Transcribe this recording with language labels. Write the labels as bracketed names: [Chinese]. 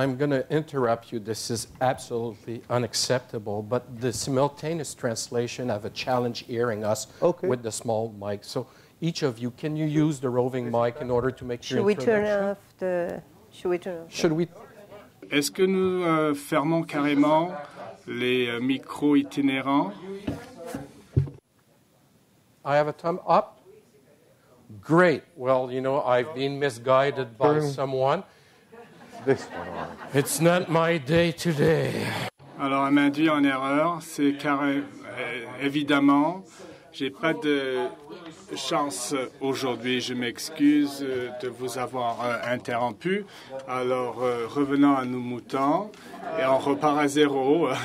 [English] I'm going to interrupt you. This is absolutely unacceptable, but the simultaneous translation have a challenge hearing us okay. with the small mic. So. Each of you, can you use the roving mic in order to make sure Should we turn off the... [French] Est-ce que nous fermons carrément les micros itinérants? [English] I have a thumb up. Great. Well, you know, I've been misguided by someone. This one. It's not my day today. [French] Alors, elle m'induit en erreur. C'est carré, évidemment... J'ai pas de chance aujourd'hui. Je m'excuse de vous avoir interrompu. Alors, revenons à nos moutons et on repart à zéro.